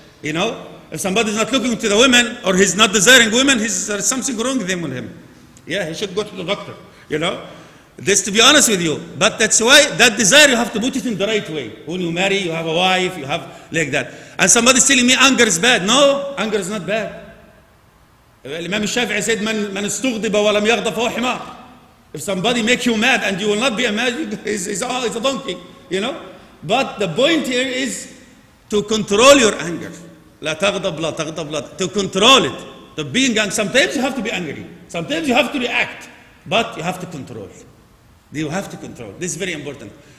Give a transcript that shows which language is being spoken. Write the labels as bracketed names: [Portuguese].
[English] You know, if somebody's not looking to the woman or he's not desiring women, there's something wrong with him. Yeah, he should go to the doctor. You know, this to be honest with you. But that's why that desire, you have to put it in the right way. When you marry, you have a wife, you have like that. And somebody's telling me anger is bad. No, anger is not bad. [Arabic] الإمام الشافعي said من استغضب ولم يغضب فهو حمار. [English] If somebody makes you mad and you will not be a mad, it's a donkey, you know. But the point here is to control your anger. لا تغضب لا تغضب لا. To control it. To being angry. Sometimes you have to be angry. Sometimes you have to react. But you have to control. You have to control. This is very important.